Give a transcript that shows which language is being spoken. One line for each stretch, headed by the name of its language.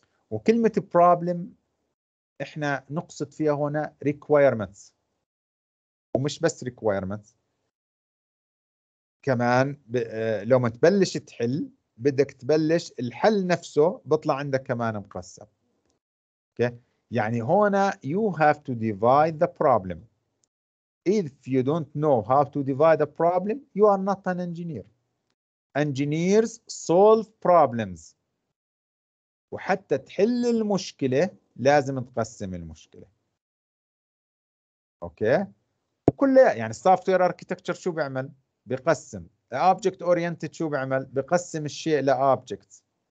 Arabic: وكلمة problem احنا نقصد فيها هنا requirements ومش بس requirements كمان لو ما تبلش تحل بدك تبلش الحل نفسه بطلع عندك كمان مقسم أوكي يعني هنا
English: you have to divide the problem. If you don't know how to divide a problem, you are not an engineer. Engineers solve problems.
Arabic: وحتى تحل المشكلة لازم تقسم المشكلة. Okay. وكل يعني software architecture شو بعمل؟ بقسم. Object oriented شو بعمل؟ بقسم الشيء لobjects.